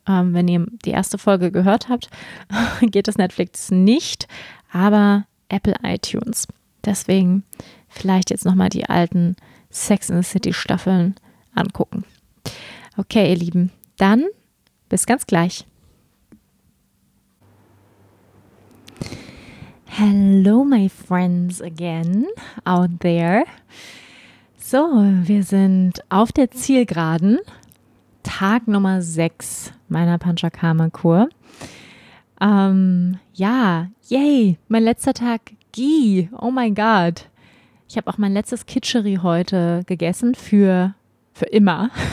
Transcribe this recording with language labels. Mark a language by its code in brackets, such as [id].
[de] Wenn ihr die erste Folge gehört habt, geht das Netflix nicht, aber Apple iTunes. Deswegen vielleicht jetzt nochmal die alten Sex in the City Staffeln angucken. Okay, ihr Lieben, dann bis ganz gleich. [en] Hello, my friends again out there. [de] So, wir sind auf der Zielgeraden, Tag Nummer 6 meiner Panchakarma-Kur. Ja, yay, mein letzter Tag Ghee, oh mein Gott. Ich habe auch mein letztes Khichdi heute gegessen für immer.